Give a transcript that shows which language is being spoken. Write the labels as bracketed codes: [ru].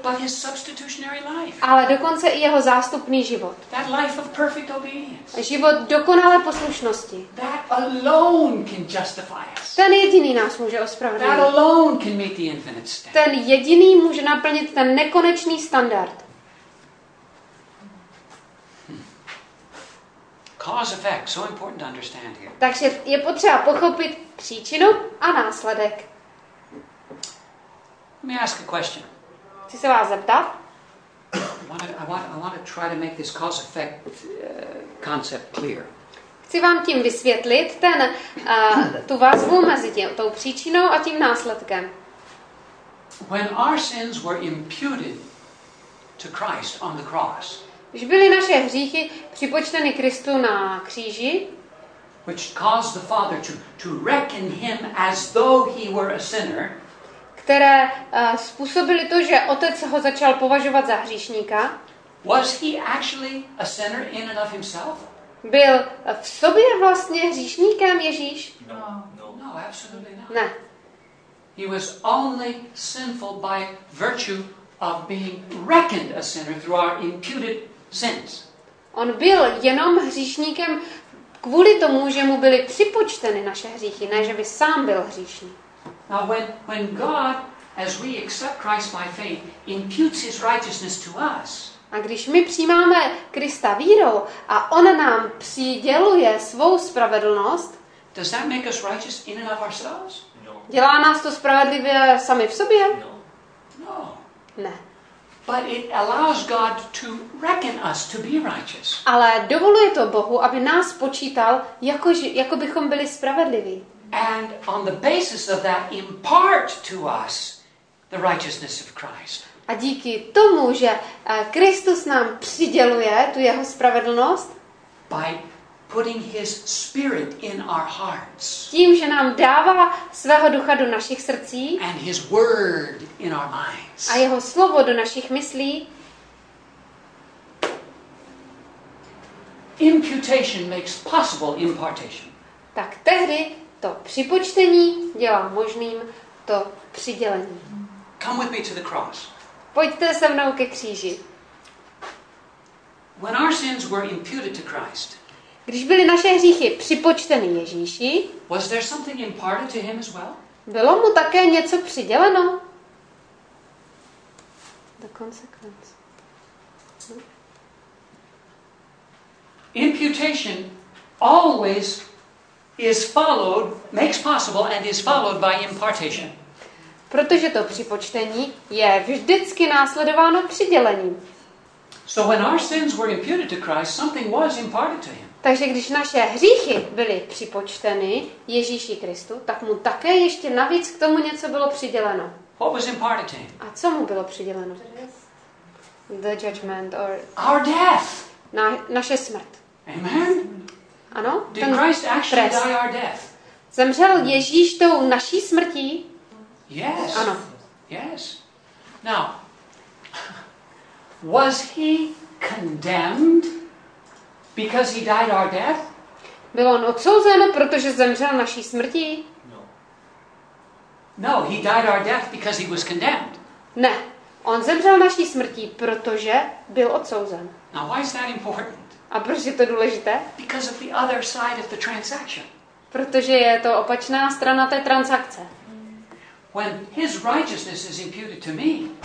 [en] but his substitutionary life, [cs] ale dokonce i jeho zástupný život. [en] That life of perfect obedience. [cs] Život dokonalé poslušnosti. [en] That alone can justify us. [cs] Ten jediný nás může ospravedlnit. [en] That alone can meet the infinite standard. [cs] Ten jediný může naplnit ten nekonečný standard. [en] Cause effect, so important to understand here. [cs] Takže je potřeba pochopit příčinu a následek. [en] Let me ask a question. [cs] Chci se vás zeptat. [en] I want to try to make this cause effect concept clear. [cs] Chci vám tím vysvětlit ten tu vazbu mezi tou příčinou a tím následkem. [en] When our sins were imputed to Christ on the cross. [cs] Když byly naše hříchy připočteny Kristu na kříži, [en] which caused the Father to reckon him as though he were a sinner, [cs] které způsobily to, že Otec ho začal považovat za hříšníka, [en] was he actually a sinner in and of himself? [cs] byl v sobě vlastně hříšníkem Ježíš? [en] No, absolutely not. [cs] Ne. [en] He was only sinful by virtue of being reckoned a sinner through our imputed sins. [cs] On byl jenom hříšníkem kvůli tomu, že mu byly připočteny naše hříchy, ne že by sám byl hříšník. [en] Now when God, as we accept Christ by faith, imputes his righteousness to us. [cs] A když my přijímáme Krista vírou a on nám přiděluje svou spravedlnost, [en] does that make us righteous in and of ourselves? No. [cs] Dělá nás to spravedlivě sami v sobě? [en] No. [cs] Ne. [en] But it allows God to reckon us to be righteous. [cs] Ale dovoluje to Bohu, aby nás počítal, jako bychom byli spravedliví. [en] And on the basis of that impart to us the righteousness of Christ. [cs] A díky tomu, že Kristus nám přiděluje tu jeho spravedlnost, [en] by putting his spirit in our hearts. [cs] Tím, že nám dává svého ducha do našich srdcí. [en] And his word in our minds. [cs] A jeho slovo do našich myslí. [en] Imputation makes possible impartation. [cs] Tak tehdy to připočtení dělá možným to přidělení. [en] Come with me to the cross. [cs] Pojďte se mnou ke kříži. [en] When our sins were imputed to Christ, [cs] když byly naše hříchy připočteny Ježíši, [en] was there something imparted to him as well? [cs] Bylo mu také něco přiděleno? [en] The consequence. Imputation always is followed, makes possible and is followed by impartation. [cs] Protože to připočtení je vždycky následováno přidělením. [en] So when our sins were imputed to Christ, something was imparted to him. [cs] Takže když naše hříchy byly připočteny Ježíši Kristu, tak mu také ještě navíc k tomu něco bylo přiděleno. [en] What was imparted to him? [cs] A co mu bylo přiděleno? [en] The judgment or our death. [cs] Naše smrt. [en] Amen. [cs] Ano? [en] Did Christ actually die our death? [cs] Zemřel Ježíš tou naší smrtí? [en] Yes. [cs] Ano. [en] Yes. Now, was he condemned because he died our death? [cs] Byl on odsouzen, protože zemřel naší smrtí? [en] No. No, he died our death because he was condemned. [cs] Ne. On zemřel naší smrtí, protože byl odsouzen. [en] Now, why is that important? [cs] A proč je to důležité? [en] Because of the other side of the transaction. [cs] Protože je to opačná strana té transakce. [en] When his righteousness is imputed to me,